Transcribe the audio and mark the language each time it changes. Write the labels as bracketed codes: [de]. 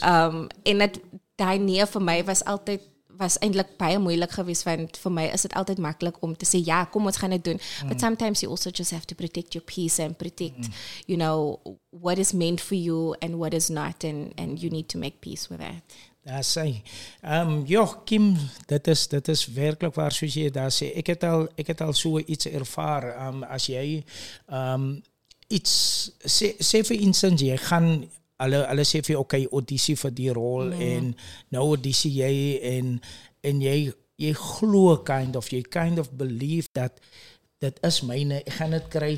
[af] En die nee vir my was eintlik baie moeilik geweest, want vir my is dit altyd maklik om te sê, ja, kom, ons gaan dit doen. Mm. [en] But sometimes you also just have to protect your peace and protect, you know, what is meant for you and what is not, and you need to make peace with that. [af] Daar sê, joh, Kim, dit is werklik waar, soos jy daar sê. Ek het al so iets ervaar, as jy iets, sê vir instance, jy gaan... Hulle sê vir jou, okay, audisie vir die rol, en nou audisie jy, en jy glo [en] kind of believe [af] dat dit is myne, ek gaan dit kry.